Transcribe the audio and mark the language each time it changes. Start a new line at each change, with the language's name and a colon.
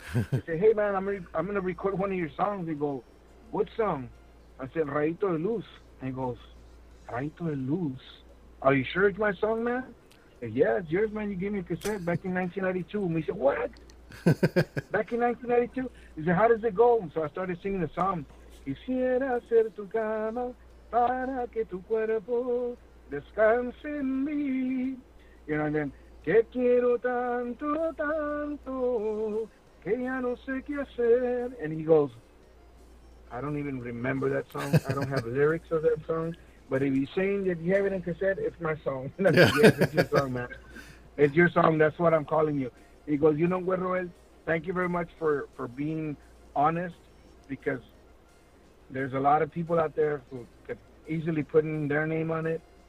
English: He said, hey, man, I'm going to record one of your songs. He goes, what song? I said, Rayito de Luz. And he goes, Rayito de Luz? Are you sure it's my song, man? Said, yeah, it's yours, man. You gave me a cassette back in 1992. And he said, what? Back in 1992? He said, how does it go? So I started singing the song.
Spanish: Quisiera ser tu cama para que tu cuerpo descanse en mí.
English: You know, and then,
Spanish: que quiero tanto, tanto, que ya no sé qué hacer.
English: And he goes, I don't even remember that song. I don't have lyrics of that song. But if he's saying that you have it in cassette, it's my song. Yes, it's your song, man. It's your song. That's what I'm calling you. He goes, you know what, Roel? Thank you very much for being honest, because there's a lot of people out there who could easily put in their name on it.